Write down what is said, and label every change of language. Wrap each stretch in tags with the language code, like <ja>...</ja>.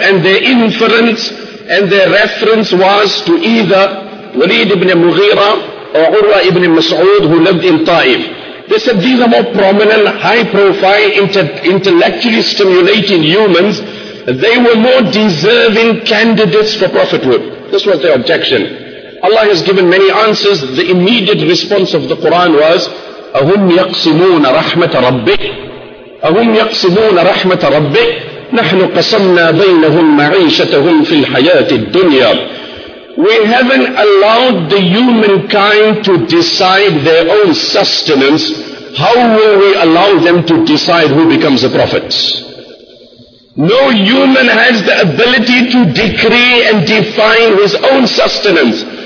<en>And their inference and their reference was to either Walid ibn Mughira or Urwa ibn Mas'ud, who lived in Taif. They said these are more prominent, high profile, intellectually stimulating humans. They were more deserving candidates for prophethood. This was their objection. Allah has given many answers. The immediate response of the Quran was,</en> <ar>أَهُمْ يَقْسِمُونَ رَحْمَةَ رَبِّكَ أَهُمْ يَقْسِمُونَ رَحْمَةَ رَبِّكَ نَحْنُ قَسَمْنَا بَيْنَهُمْ مَعِيشَتَهُمْ فِي الْحَيَاةِ الدُّنْيَا.</ar> <en>We haven't allowed the humankind to decide their own sustenance. How will we allow them to decide who becomes a prophet? No human has the ability to decree and define his own sustenance.</en>